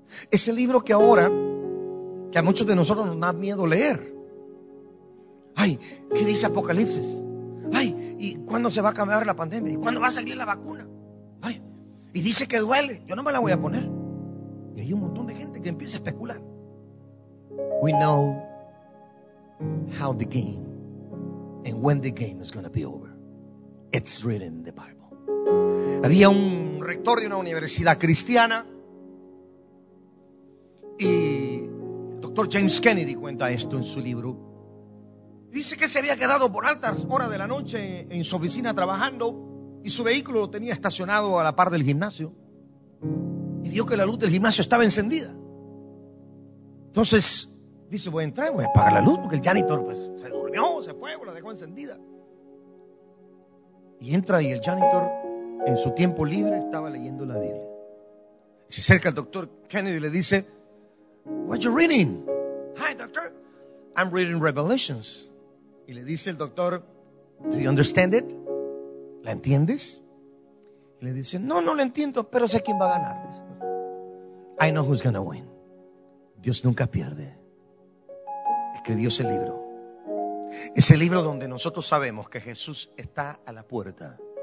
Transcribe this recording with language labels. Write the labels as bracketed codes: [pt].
[es] Ese libro que ahora, que a muchos de nosotros nos da miedo leer. Ay, ¿qué dice Apocalipsis? Ay, ¿y cuándo se va a acabar la pandemia? ¿Y cuándo va a salir la vacuna? Ay, y dice que duele. Yo no me la voy a poner. Y hay un montón de gente que empieza a especular. [en] We know how the game and when the game is going to be over. It's written in the Bible. [es] Había un rector de una universidad cristiana y el doctor James Kennedy cuenta esto en su libro. Dice que se había quedado por altas horas de la noche en su oficina trabajando y su vehículo lo tenía estacionado a la par del gimnasio y vio que la luz del gimnasio estaba encendida. Entonces dice, voy a entrar, voy a apagar la luz, porque el janitor pues, se durmió, se fue, la dejó encendida. Y entra y el janitor, en su tiempo libre, estaba leyendo la Biblia. Se acerca el doctor Kennedy y le dice, [en] what are you reading? Hi, doctor. I'm reading Revelations. [es] Y le dice el doctor, [en] do you understand it? [es] ¿La entiendes? Y le dice, no, no la entiendo, pero sé quién va a ganar. [en] I know who's gonna win. [es] Dios nunca pierde. Escribió ese libro. Ese libro donde nosotros sabemos que Jesús está a la puerta.